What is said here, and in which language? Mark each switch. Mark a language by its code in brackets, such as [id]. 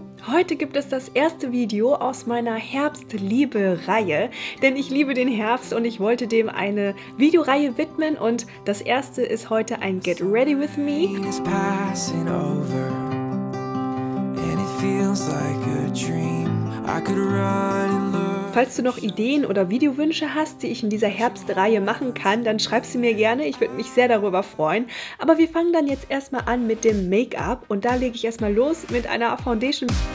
[de] Heute gibt es das erste Video aus meiner Herbstliebe-Reihe, denn ich liebe den Herbst und ich wollte dem eine Videoreihe widmen. Und das erste ist heute ein Get Ready With Me. [en] Is passing over and it feels like a dream. I could run and look. [de] Falls du noch Ideen oder Videowünsche hast, die ich in dieser Herbstreihe machen kann, dann schreib sie mir gerne. Ich würde mich sehr darüber freuen. Aber wir fangen dann jetzt erstmal an mit dem Make-up. Und da lege ich erstmal los mit einer Foundation.